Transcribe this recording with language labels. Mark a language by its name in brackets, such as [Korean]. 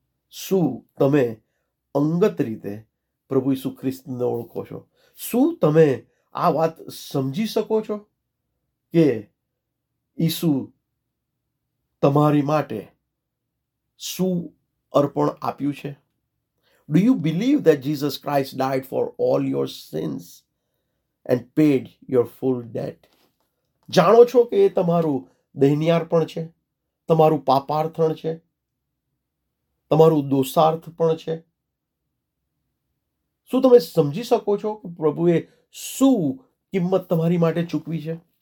[Gujarati] શું તમે અંગત રીતે પ્રભુ ઈસુ ખ્રિસ્તને ઓળખો છો? શું તમે આ વાત સમજી શકો છો કે ઈસુ તમારી માટે શું અર્પણ આપ્યું છે? [English] Do you believe that Jesus Christ died for all your sins and paid your full debt? [Gujarati] જાણો છો કે એ તમારું દૈન્યાર્પણ છે, તમારું પાપાર્થણ છે, તમારું દોષાર્થ પણ છે. શું તમે સમજી શકો છો કે પ્રભુએ શું કિંમત તમારી માટે ચૂકવી છે?